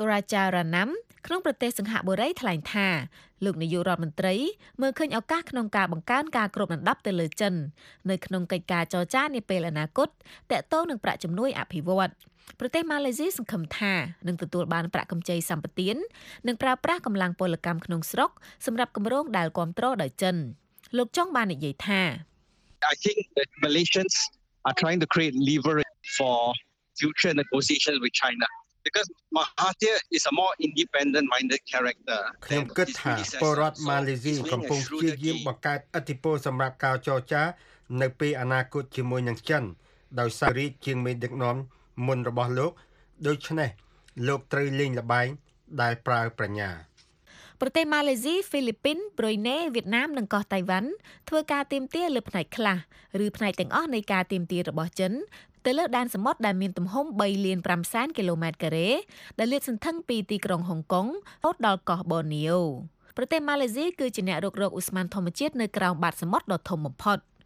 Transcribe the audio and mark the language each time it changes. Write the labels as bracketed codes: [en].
[km] Rajaratnam ក្នុងប្រទេសសិង្ហបុរីថ្លែងថាលោកនាយករដ្ឋមន្ត្រីមើលឃើញឱកាសក្នុងការបង្កើនការគ្របដណ្ដប់ទៅលើចិននៅក្នុងកិច្ចការចរចានាពេលអនាគតតទៅនឹងប្រាក់ជំនួយអភិវឌ្ឍប្រទេសម៉ាឡេស៊ីសង្ឃឹមថានឹងទទួលបានប្រាក់កម្ចីសម្បទាននិងប្រើប្រាស់កម្លាំងពលកម្មក្នុងស្រុកសម្រាប់គម្រោងដែលគាំទ្រដោយចិនលោកចុងបាននិយាយថា [en] I think the Malaysians are trying to create leverage for future negotiations with China because Mahathir is a more independent minded character [km] ខ្ញុំគិតថាពលរដ្ឋម៉ាឡេស៊ីកំពុងព្យាយាមបង្កើតឥទ្ធិពលសម្រាប់ការចរចានៅពេលអនាគតជាមួយនឹងចិនដោយសារជាងមេដឹកនាំមុនរបស់លោកដូច្នេះលោកត្រូវលេងល្បែងដែលប្រើប្រញ្ញា ប្រទេសម៉ាឡេស៊ីហ្វីលីពីនប្រ៊ុយណេវៀតណាមនិងកោះតៃវ៉ាន់ធ្វើការទៀមទាលើផ្នែកខ្លះឬផ្នែកទាំងអស់នៃការទៀមទារបស់ចិនទៅលើដែនសមុទ្រដែលមានទំហំ 3.5 គីឡូម៉ែត្រការ៉េដែលលាតសន្ធឹងពីទីក្រុងហុងកុងរហូតដល់កោះបូនីយ៉ូប្រទេសម៉ាឡេស៊ីគឺជាអ្នករករកឧស្ម័នធម្មជាតិនៅក្រោមបាតសមុទ្រដ៏ធំបំផុត